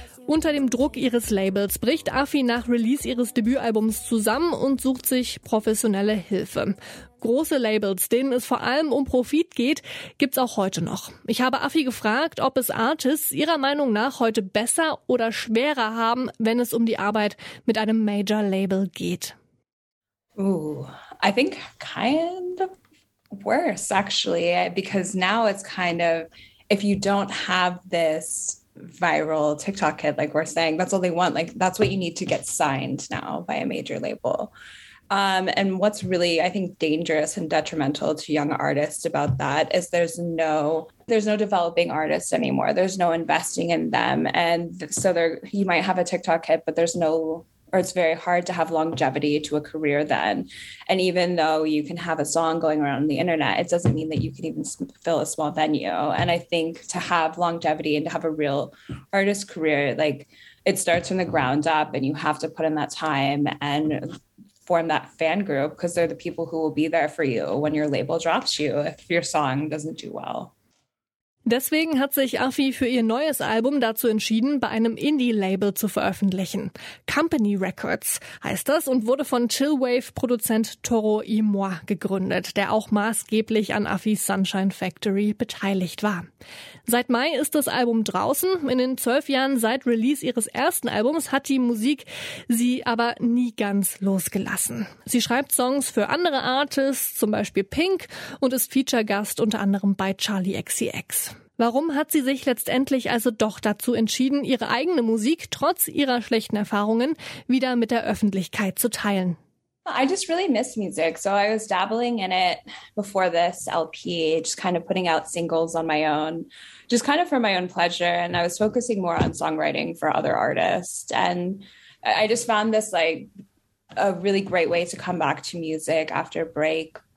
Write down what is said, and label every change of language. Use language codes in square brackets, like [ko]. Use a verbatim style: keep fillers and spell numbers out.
[de] Unter dem Druck ihres Labels bricht Affi nach Release ihres Debütalbums zusammen und sucht sich professionelle Hilfe. Große Labels, denen es vor allem um Profit geht, gibt's auch heute noch. Ich habe Affi gefragt, ob es Artists ihrer Meinung nach heute besser oder schwerer haben, wenn es um die Arbeit mit einem Major-Label geht. [en] Ooh, I think kind of worse actually, because now it's kind of, if you don't have this viral TikTok hit, like we're saying, that's all they want. Like, that's what you need to get signed now by a major label. Um, and what's really, I think, dangerous and detrimental to young artists about that is there's no there's no developing artists anymore. There's no investing in them. And so there, you might have a TikTok hit, but there's no, or it's very hard to have longevity to a career then. And even though you can have a song going around on the internet, it doesn't mean that you can even fill a small venue. And I think to have longevity and to have a real artist career, like it starts from the ground up and you have to put in that time and form that fan group because they're the people who will be there for you when your label drops you if your song doesn't do well. [de] Deswegen hat sich Affi für ihr neues Album dazu entschieden, bei einem Indie-Label zu veröffentlichen. Company Records heißt das und wurde von Chillwave-Produzent Toro y Moi gegründet, der auch maßgeblich an Affis Sunshine Factory beteiligt war. Seit Mai ist das Album draußen. In den zwölf Jahren seit Release ihres ersten Albums hat die Musik sie aber nie ganz losgelassen. Sie schreibt Songs für andere Artists, zum Beispiel Pink, und ist Feature-Gast unter anderem bei Charlie X C X. Warum hat sie sich letztendlich also doch dazu entschieden, ihre eigene Musik trotz ihrer schlechten Erfahrungen wieder mit der Öffentlichkeit zu teilen? [en] I just really miss music. So I was dabbling in it before this L P, just kind of putting out singles on my own, just kind of for my own pleasure. And I was focusing more on songwriting for other artists. And I just found this like a really great way to come back to music after a break.